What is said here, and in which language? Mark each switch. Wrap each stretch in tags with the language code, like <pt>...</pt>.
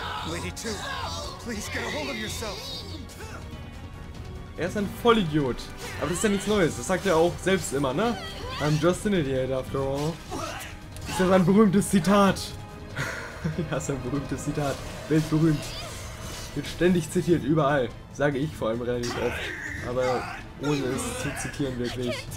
<en>Lady 2, please get a hold of yourself.</en> <de>Er ist ein Vollidiot. Aber das ist ja nichts Neues. Das sagt er auch selbst immer, ne?</de> <en>I'm just an idiot after all.</en> <de>Ist ja sein berühmtes Zitat. Ja, sein berühmtes Zitat. Weltberühmt. Wird ständig zitiert, überall. Sage ich vor allem relativ oft. Aber ohne es zu zitieren, wirklich.</de>